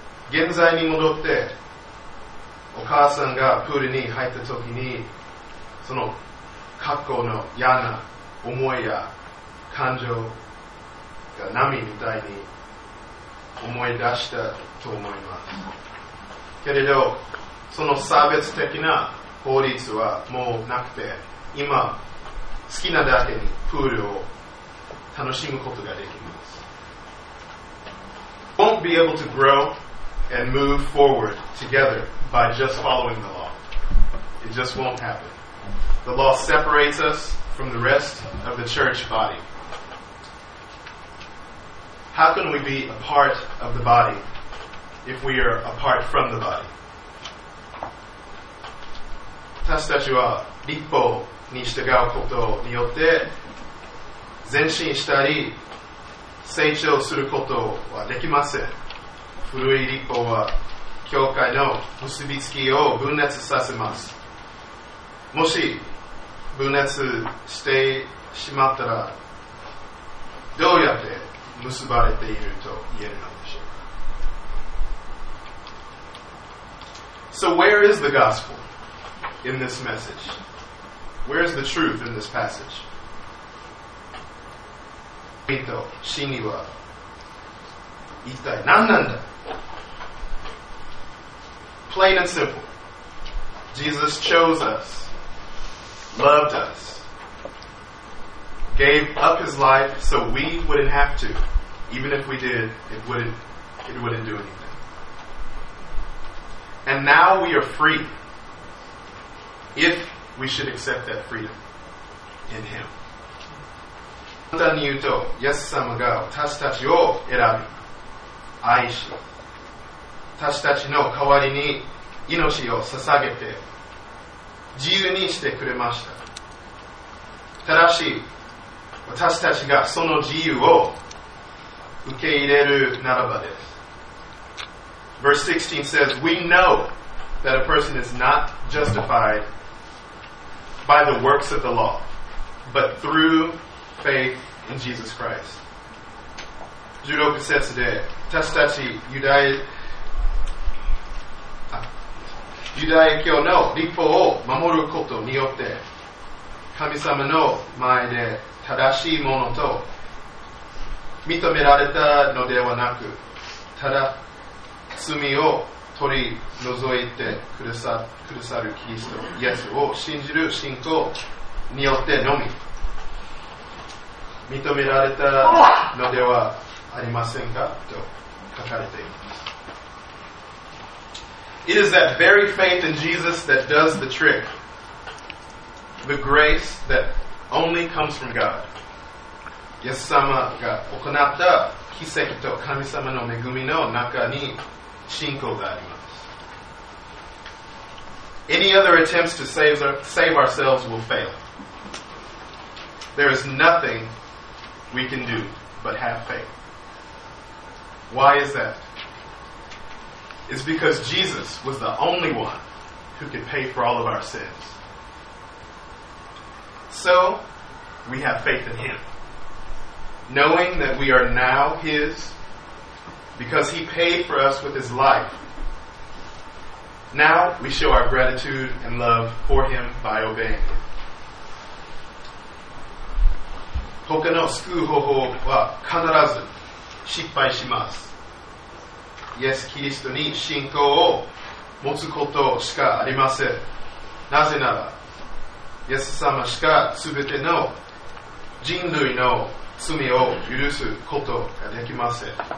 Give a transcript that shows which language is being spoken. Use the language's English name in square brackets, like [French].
[Japanese] 現在に戻ってお母さんがプールに入った時にその過去の嫌な思いや感情が波みたいに思い出したと思いますけれど、その差別的な法律はもうなくて、今好きなだけにプールを楽しむことができます。 [English] Won't be able to grow and move forward together by just following the law. It just won't happen. The law separates us from the rest of the church body. How can we be a part of the body if we are apart from the body? [Japanese] 私たちは立法に従うことによって前進したり成長することはできません。古い立法は教会の結びつきを分裂させます。もし分裂してしまったら、どうやって結ばれていると言えるのでしょうか。 [English] So where is the gospel in this message? Where is the truth in this passage? [Japanese] 死には一体何なんだ? [English] Plain and simple. Jesus chose us, loved us, gave up his life so we wouldn't have to. Even if we did, it wouldn't do anything. And now we are free, if we should accept that freedom in him. [Japanese] 簡単に言うと、イエス様が私たちを選び、愛し、私たちの代わりに命を捧げて、自由にしてくれました。ただし、私たちがその自由を受け入れるならばです。 [English] Verse 16 says, we know that a person is not justified by the works of the law, but through faith in Jesus Christ. [Japanese] 16節で、私たちユダヤ教の立法を守ることによって、神様の前で正しいものと認められたのではなく、ただ罪を取り除いてくださるキリストイエスを信じる信仰によってのみ認められたのではありませんかと書かれています。 [English] It is that very faith in Jesus that does the trick. The grace that only comes from God. [Japanese] イエス様が行った奇跡と神様の恵みの中に信仰があります。 [English] Any other attempts to save ourselves will fail. There is nothing we can do but have faith. Why is that? It's because Jesus was the only one who could pay for all of our sins. So, we have faith in Him. Knowing that we are now His, because He paid for us with His life, now we show our gratitude and love for Him by obeying Him. [Japanese] 他の救う方法は必ず失敗します。イエス・キリストに信仰を持つことしかありません。なぜなら、イエス様しか全ての人類の罪を許すことができません。